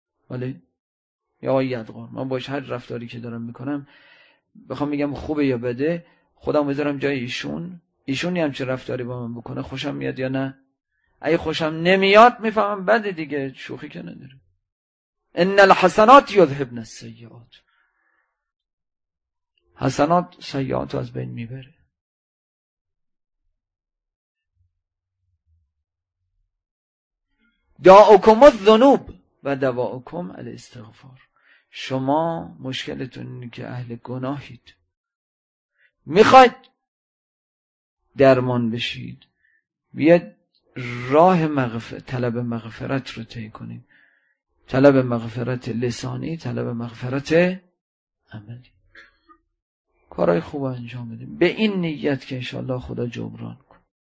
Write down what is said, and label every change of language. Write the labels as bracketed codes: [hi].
[fa] ولی یا یادگار من باش هر رفتاری که دارم میکنم، بخوام میگم خوبه یا بده، خودم بذارم جای ایشون، ایشونی هم چه رفتاری با من بکنه خوشم میاد یا نه. اگه خوشم نمیاد میفهمم بده دیگه، شوخی که نداره. [ar] ان الحسنات یذهبن السیئات. [fa] حسنات سیئات رو از بین میبره. [ar] دعاؤکم الذنوب و دعاؤکم الاستغفار. [fa] شما مشکلتون اینه که اهل گناهید، میخواید درمان بشید، بیاید راه مغفرت، طلب مغفرت رو طی کنید، طلب مغفرت لسانی، طلب مغفرت عملی، کارهای خوب انجام بدیم به این نیت که انشاءالله خدا جبران کن.